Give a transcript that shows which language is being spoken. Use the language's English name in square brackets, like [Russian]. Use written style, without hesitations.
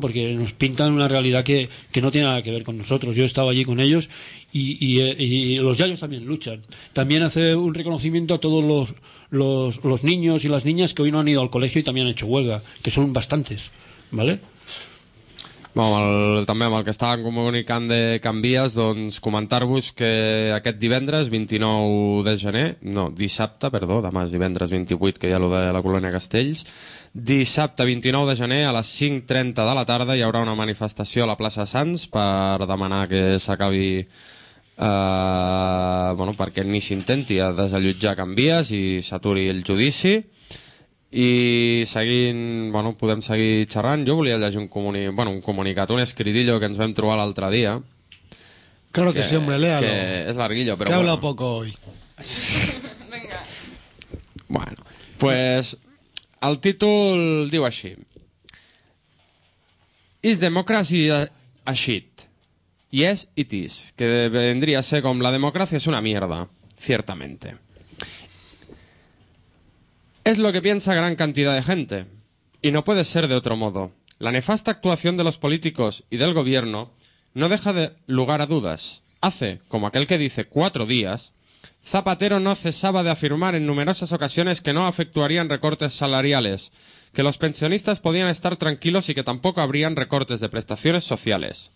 [Spanish] Porque nos pintan una realidad que no tiene nada que ver con nosotros. Yo he estado allí con ellos y los yayos también luchan. También hace un reconocimiento a todos los niños y las niñas que hoy no han ido al colegio y también han hecho huelga, que son bastantes, ¿vale? [Catalan] Bueno, el, també amb el que estàvem comunicant de Can Vies, doncs comentar-vos que aquest divendres 29 de gener, no, dissabte, perdó, demà és divendres 28, que hi ha el de la Colònia Castells, dissabte 29 de gener a les 5:30 de la tarda hi haurà una manifestació a la plaça Sants per demanar que s'acabi, bueno, perquè ni s'intenti a desallotjar Can Vies i s'aturi el judici. I seguint, bueno, podem seguir xerrant. Jo volia llegir un, comuni... bueno, un comunicat, un escritillo que ens vam trobar l'altre dia. [Spanish] Claro que sí, hombre, léalo. [Catalan] Que és larguillo, però que bueno. [Spanish] Que habla poco hoy. Venga. Bueno, pues [Catalan] el títol diu així. [English] Is democracy a shit? Yes, it is. [Catalan] Que vendria a ser com la democràcia és una mierda, ciertamente. [Spanish] Es lo que piensa gran cantidad de gente, y no puede ser de otro modo. La nefasta actuación de los políticos y del gobierno no deja de lugar a dudas. Hace, como aquel que dice, cuatro días, Zapatero no cesaba de afirmar en numerosas ocasiones que no efectuarían recortes salariales, que los pensionistas podían estar tranquilos y que tampoco habrían recortes de prestaciones sociales.